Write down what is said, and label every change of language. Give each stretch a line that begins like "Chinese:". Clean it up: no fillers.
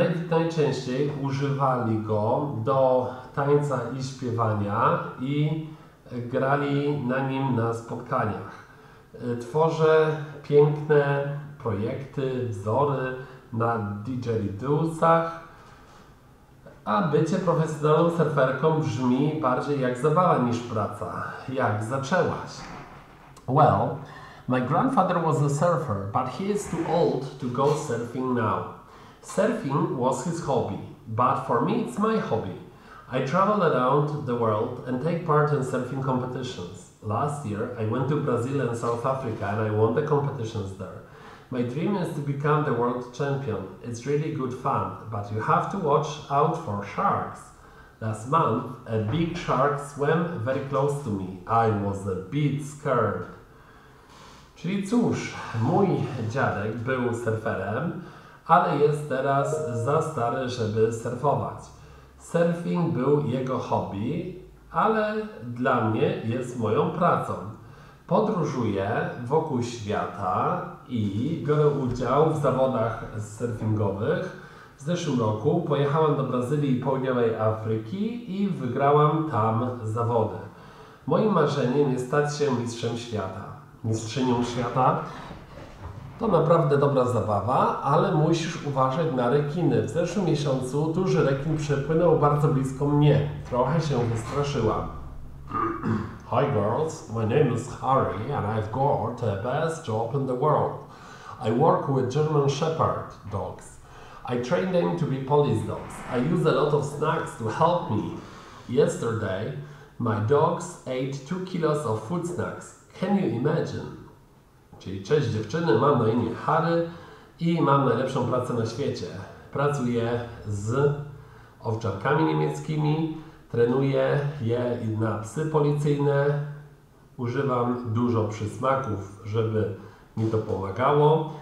Polish: Najczęściej używali go do tańca i śpiewania i grali na nim na spotkaniach. Tworzy piękne projekty, wzory na didgeridoosach. A bycie profesjonalną surferką brzmi bardziej jak zabawa niż praca. Jak zaczęłaś?
English: Well, my grandfather was a surfer, but he is too old to go surfing now. Surfing was his hobby, but for me it's my hobby. I travel around the world and take part in surfing competitions. Last year I went to Brazil and South Africa and I won the competitions there. My dream is to become the world champion. It's really good fun, but you have to watch out for sharks. Last month, a big shark swam very close to me. I was a bit scared.
Polish: Czyli cóż, mój dziadek był surferem, ale jest teraz za stary, żeby surfować. Surfing był jego hobby, ale dla mnie jest moją pracą. Podróżuję wokół świata i biorę udział w zawodach surfingowych. W zeszłym roku pojechałam do Brazylii i Południowej Afryki i wygrałam tam zawody. Moim marzeniem jest stać się mistrzem świata. Mistrzynią świata? To naprawdę dobra zabawa, ale musisz uważać na rekiny. W zeszłym miesiącu duży rekin przepłynął bardzo blisko mnie. Trochę się wystraszyłam.
English: Hi girls, my name is Harry and I've got the best job in the world. I work with German Shepherd dogs. I train them to be police dogs. I use a lot of snacks to help me. Yesterday, my dogs ate 2 kilos of food snacks. Can you imagine?
Polish: Czyli cześć dziewczyny, mam na imię Harry i mam najlepszą pracę na świecie. Pracuję z owczarkami niemieckimi. Trenuję je na psy policyjne. Używam dużo przysmaków, żeby mi to pomagało.